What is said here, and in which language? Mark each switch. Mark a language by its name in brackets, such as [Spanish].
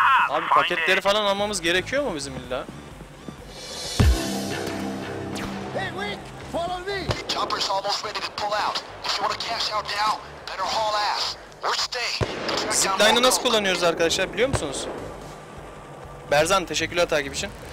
[Turkish] Abi paketleri falan almamız gerekiyor mu bizim illa? [English] Hey Wick, follow me. Chopper's almost ready to pull out. If you want to cash out now, better haul ass. Or stay. [Turkish] Zipline'ı nasıl kullanıyoruz arkadaşlar biliyor musunuz? Berzan teşekkürler takip için.